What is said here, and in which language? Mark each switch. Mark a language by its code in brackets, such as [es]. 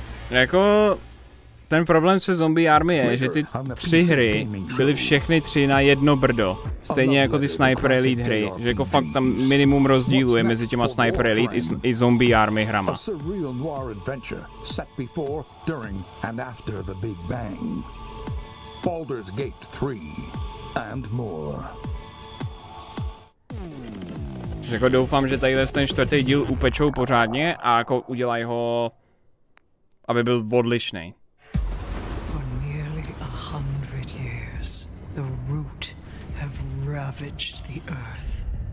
[cs] Jako ten problém se Zombie Army je, že ty tři hry byly všechny tři na jedno brdo. Stejně jako ty Sniper Elite hry, že jako fakt tam minimum rozdílu je mezi těma Sniper Elite i Zombie Army hrama. [en] A surreal noir adventure set before, during and after the Big Bang. Baldur's Gate 3 and more. [cs] Jako doufám, že tadyhle ten čtvrtý díl upečou pořádně a jako udělaj ho, aby byl odlišný. [en] For nearly 100 years, the root have ravaged the earth.